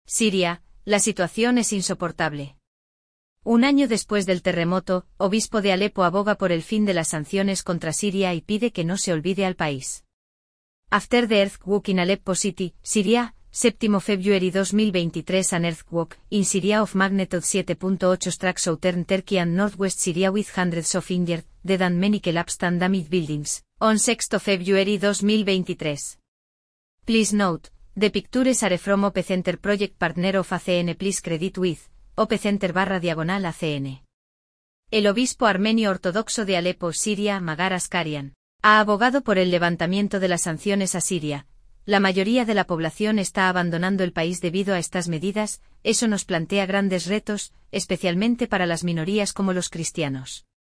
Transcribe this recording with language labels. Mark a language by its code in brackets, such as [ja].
[es] Siria, la situación es insoportable. Un año después del terremoto, obispo de Alepo aboga por el fin de las sanciones contra Siria y pide que no se olvide al país. [en] After the earthquake in Aleppo City, Syria, 7 February 2023 an earthquake in Syria of magnitude 7.8 struck southern Turkey and northwest Syria with hundreds of injured, dead and many collapsed and damaged buildings, on 6 February 2023. Please note, the pictures are from OP Center Project Partner of ACN. Please credit with opcenter/ACN. [es] El obispo armenio ortodoxo de Alepo, Siria, Magar Askarian, ha abogado por el levantamiento de las sanciones a Siria. La mayoría de la población está abandonando el país debido a estas medidas, eso nos plantea grandes retos, especialmente para las minorías como los cristianos.